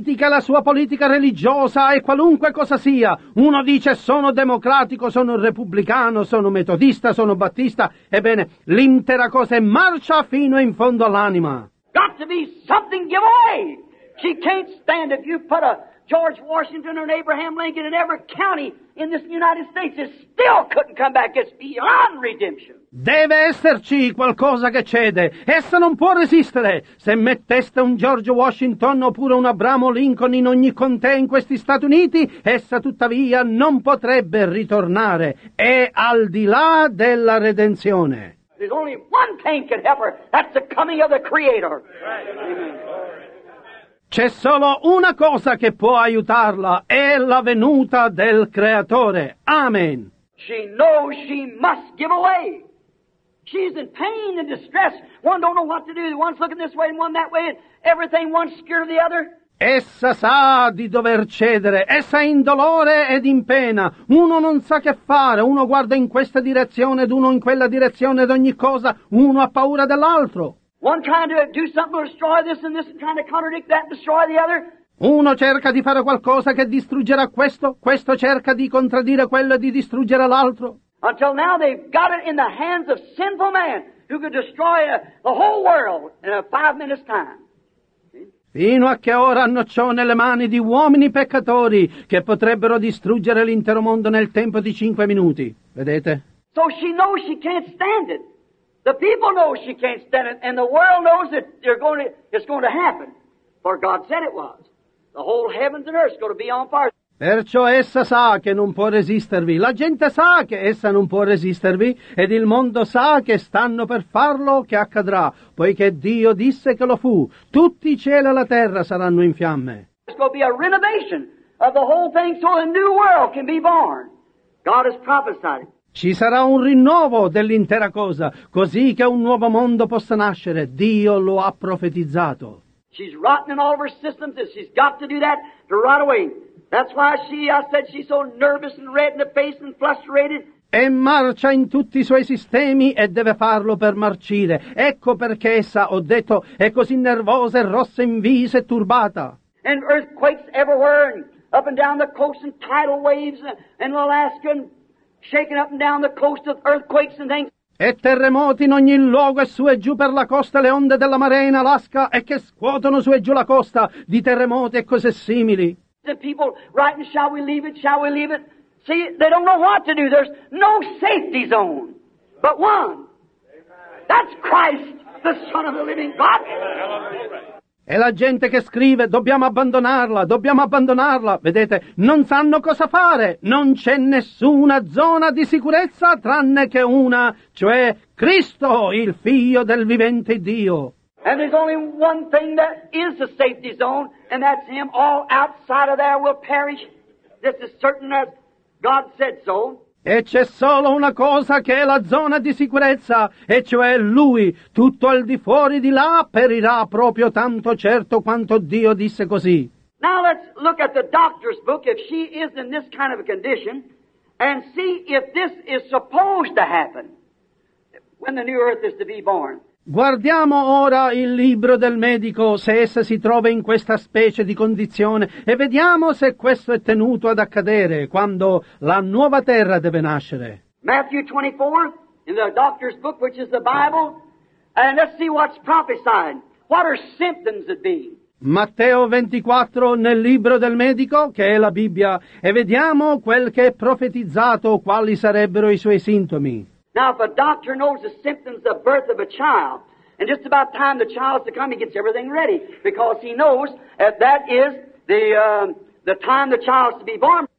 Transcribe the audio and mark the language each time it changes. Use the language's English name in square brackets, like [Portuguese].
[Italian] La sua politica religiosa e qualunque cosa sia. Uno dice sono democratico, sono repubblicano, sono metodista, sono battista. Ebbene, l'intera cosa è marcia fino in fondo all'anima. [English] Got to be something give away. She can't stand if you put a George Washington or an Abraham Lincoln in every county in this United States. It still couldn't come back. It's beyond redemption. [Italian] Deve esserci qualcosa che cede. Essa non può resistere. Se metteste un George Washington oppure un Abramo Lincoln in ogni contea in questi Stati Uniti, essa tuttavia non potrebbe ritornare. È al di là della redenzione. [English] There's only one thing can help her. That's the coming of the Creator. [Italian] C'è solo una cosa che può aiutarla. È la venuta del Creatore. Amen. [English] She knows she must give away. She's in pain and distress. One don't know what to do. One's looking this way and one that way. And everything, one's scared of the other. [Italian] Essa sa di dover cedere. Essa è in dolore ed in pena. Uno non sa che fare. Uno guarda in questa direzione ed uno in quella direzione ed ogni cosa. Uno ha paura dell'altro. [English] One trying to do something to destroy this and this and trying to contradict that and destroy the other. [Italian] Uno cerca di fare qualcosa che distruggerà questo. Questo cerca di contraddire quello e di distruggere l'altro. [English] Until now they've got it in the hands of sinful man who could destroy the whole world in a 5 minutes time. [Italian] Fino a che ora hanno ciò nelle mani di uomini peccatori che potrebbero distruggere l'intero mondo nel tempo di 5 minuti. Vedete? [English] So she knows she can't stand it. The people know she can't stand it, and the world knows that it's going to happen. For God said it was. The whole heavens and earth is going to be on fire. [Italian] Perciò essa sa che non può resistervi. La gente sa che essa non può resistervi ed il mondo sa che stanno per farlo che accadrà, poiché Dio disse che lo fu. Tutti i cieli e la terra saranno in fiamme. [English] There's going to be a renovation of the whole thing so a new world can be born. God has prophesied. [Italian] Ci sarà un rinnovo dell'intera cosa, così che un nuovo mondo possa nascere. Dio lo ha profetizzato. [English] She's rotten in all of her systems and she's got to do that to rot away. That's why I said she's so nervous and red in the face and frustrated. [Italian] e marcia in tutti i suoi sistemi e deve farlo per marcire. Ecco perché essa, ho detto, è così nervosa e rossa in viso e turbata. [English] And earthquakes everywhere, and up and down the coast, and tidal waves in Alaska, and shaking up and down the coast of earthquakes and things. [Italian] E terremoti in ogni luogo, e su e giù per la costa, le onde della marea in Alaska, e che scuotono su e giù la costa di terremoti e cose simili. [English] The people writing, shall we leave it, shall we leave it? See, they don't know what to do. There's no safety zone but one. That's Christ, the Son of the living God. [Italian] E la gente che scrive, dobbiamo abbandonarla, vedete, non sanno cosa fare, non c'è nessuna zona di sicurezza tranne che una, cioè Cristo, il Figlio del vivente Dio. [English] And there's only one thing that is a safety zone, and that's Him. All outside of there will perish. This is certain as God said so. [Italian] E c'è solo una cosa che è la zona di sicurezza, e cioè Lui, tutto al di fuori di là, perirà proprio tanto certo quanto Dio disse così. [English] Now let's look at the doctor's book, if she is in this kind of a condition, and see if this is supposed to happen when the new earth is to be born. [Italian] Guardiamo ora il libro del medico, se essa si trova in questa specie di condizione, e vediamo se questo è tenuto ad accadere quando la nuova terra deve nascere. [English] Matthew 24, in the doctor's book, which is the Bible, and let's see what's prophesied. What are symptoms of being? [Italian] Matteo 24, nel libro del medico, che è la Bibbia, e vediamo quel che è profetizzato, quali sarebbero i suoi sintomi. [English] Now, if a doctor knows the symptoms of birth of a child, and just about time the child's to come, he gets everything ready, because he knows that that is the time the child's to be born.